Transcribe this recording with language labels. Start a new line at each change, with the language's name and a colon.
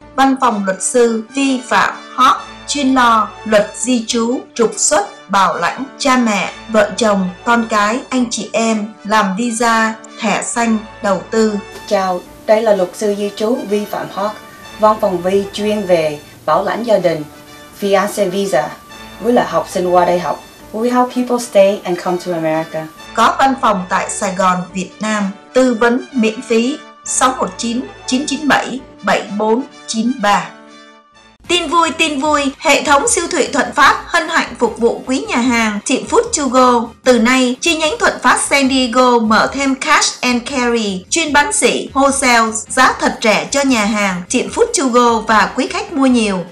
Vietnamese: Văn phòng luật sư Vi Phạm Hot chuyên lo luật di trú, trục xuất, bảo lãnh cha mẹ, vợ chồng, con cái, anh chị em, làm visa, thẻ xanh, đầu tư. Chào, đây là luật sư di trú Vi Phạm Hot, văn phòng Vi chuyên về bảo lãnh gia đình, fiancé visa, với là học sinh qua đại học.
English: We help people stay and come to America.
Vietnamese: Có văn phòng tại Sài Gòn, Việt Nam, tư vấn miễn phí 619-997-7493. Tin vui, tin vui! Hệ thống siêu thị Thuận Phát hân hạnh phục vụ quý nhà hàng Thịnh Food To Go. Từ nay, chi nhánh Thuận Phát San Diego mở thêm Cash and Carry, chuyên bán sỉ, wholesale, giá thật rẻ cho nhà hàng Thịnh Food To Go và quý khách mua nhiều.